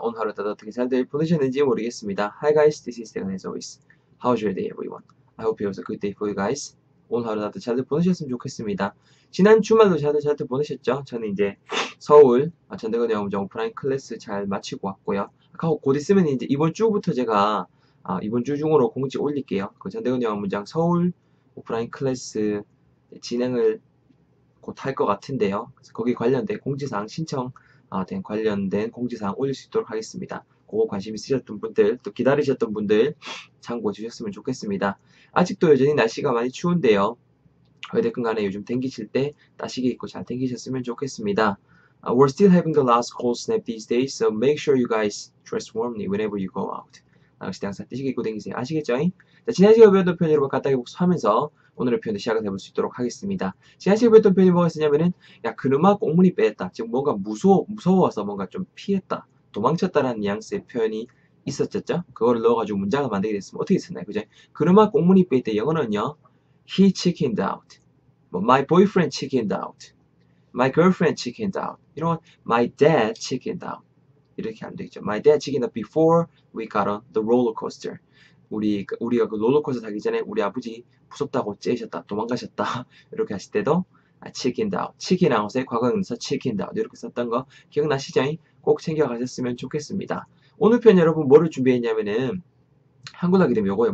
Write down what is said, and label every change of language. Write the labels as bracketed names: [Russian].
[Korean] 오늘 하루 어떻게 잘들 보내셨는지 모르겠습니다. [English] Hi guys, this is Deon as always. How's your day, everyone? I hope it was a good day for you guys. [Korean] 오늘 하루 다들 잘들 보내셨으면 좋겠습니다. 지난 주말도 잘들 보내셨죠? 저는 이제 서울 전대건 영어음정 오프라인 클래스 잘 마치고 왔고요. 곧 있으면 이제 이번 주부터 제가 이번 주 중으로 공지 올릴게요. 그 전대건 영어음정 서울 오프라인 클래스 진행을 곧할것 같은데요. 그래서 거기 관련된 공지사항 신청 된 관련된 공지사항 올릴 수 있도록 하겠습니다. 그거 관심 있으셨던 분들, 또 기다리셨던 분들 참고 주셨으면 좋겠습니다. 아직도 여전히 날씨가 많이 추운데요. 어쨌든 간에 요즘 댕기실 때 따시게 입고 잘 댕기셨으면 좋겠습니다. [English] We're still having the last cold snap these days, so make sure you guys dress warmly whenever you go out. [Korean] 날씨 항상 따시게 입고 댕기세요. 아시겠죠잉? 자, 지난 시간에 배웠던 표현 여러분 간단하게 복습하면서 오늘의 표현도 시작을 해볼 수 있도록 하겠습니다. 지난 시간에 배웠던 표현이 뭐가 있었냐면은, 야, 그놈아 꽁무니 빼였다. 즉, 뭔가 무서워서 뭔가 좀 피했다. 도망쳤다라는 뉘앙스의 표현이 있었죠? 그거를 넣어가지고 문장을 만들게 됐으면 어떻게 쓰나요? 그죠? 그놈아 꽁무니 빼였다. 영어는요, [English] he chickened out. 뭐, my boyfriend chickened out. my girlfriend chickened out. [Korean] 이런 건, [English] my dad chickened out. [Korean] 이렇게 하면 되겠죠. [English] My dad chickened out before we got on the roller coaster. [Korean] 우리가 그 롤러코스터 타기 전에 우리 아버지 무섭다고 째셨다, 도망가셨다 이렇게 하실 때도 [English] chickened out, chicken out [Korean] 의 과거형에서 chickened out 이렇게 썼던 거 기억나시죠? 꼭 챙겨 가셨으면 좋겠습니다. 오늘 편 여러분 뭐를 준비했냐면은 한국어로 하게 되면 요거예요.